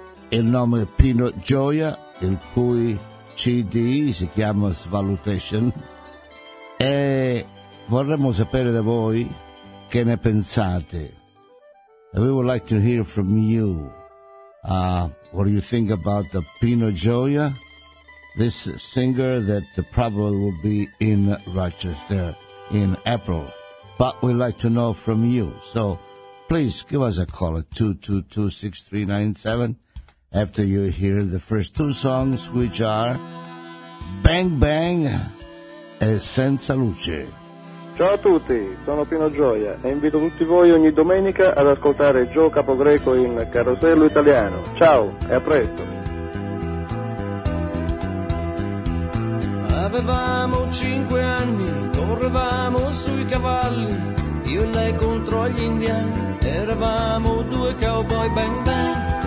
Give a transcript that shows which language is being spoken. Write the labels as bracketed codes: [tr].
[it] Il nome Pino Gioia, il cui CD si chiama Svalutation, e vorremmo sapere da voi che ne pensate. [en] We would like to hear from you. What do you think about the Pino Gioia, this singer that probably will be in Rochester in April? But we'd like to know from you. So please give us a call at 222-6397. After you hear the first two songs, which are Bang Bang e Senza Luce. [it] Ciao a tutti, sono Pino Gioia e invito tutti voi ogni domenica ad ascoltare Joe Capogreco in Carosello Italiano. Ciao e a presto. Avevamo 5 anni, correvamo sui cavalli, io e lei contro gli indiani, eravamo 2 cowboy, bang bang.